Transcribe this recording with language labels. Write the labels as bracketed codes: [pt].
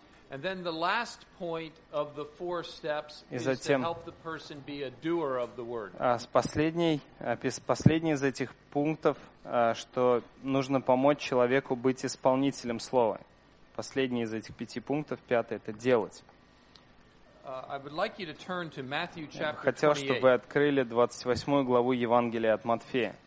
[en] And then the last point of the four steps is to help the person be a doer of the word. [ru] Последний из этих пунктов, что нужно помочь человеку быть исполнителем слова. Последний из этих пяти пунктов, пятый, это делать. [en] I would like you to turn to Matthew chapter 28. [ru] Хотел, чтобы вы открыли 28 главу Евангелия от Матфея.